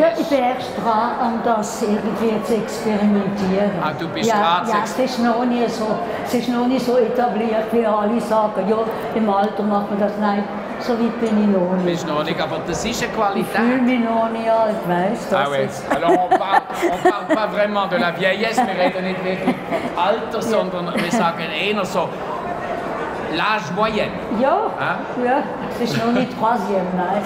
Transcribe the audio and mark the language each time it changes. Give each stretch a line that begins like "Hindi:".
German: Ja, ich bin erst dran, um das irgendwie zu experimentieren. Ah, du bist dran. Ja, es ist noch nicht so etabliert, wie alle sagen, ja, im Alter macht man das. Nein. So weit bin ich noch nicht. Du bist noch nicht, aber das ist eine Qualität. Ich fühle mich noch nicht alt, weißt du? Auch jetzt.
French: Also, on parle pas vraiment de la vieillesse.
German: Wir reden nicht wirklich vom Alter, sondern wir sagen eher so
French: l'âge moyen.
German: Ja, es ist noch nicht troisième, nein.